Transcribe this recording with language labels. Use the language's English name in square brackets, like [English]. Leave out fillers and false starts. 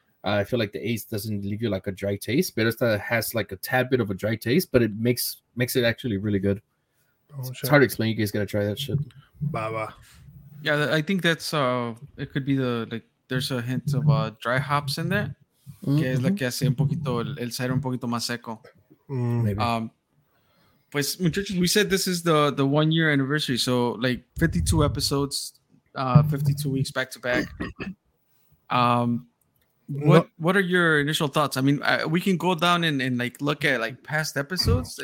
[English] I feel like the Ace doesn't leave you like a dry taste, but it has like a tad bit of a dry taste, but it makes it actually really good. It's hard to explain. You guys got to try that shit. Baba. Yeah, I think that's, it could be the, like, there's a hint of dry hops in there. Mm-hmm. [Spanish] Que es la que hace un poquito, el cider un poquito más seco. [English] Maybe. [Spanish] Pues, muchachos, [English] we said this is the 1-year anniversary. So, like, 52 episodes, 52 weeks back to back. What are your initial thoughts? I mean, we can go down and like look at like past episodes.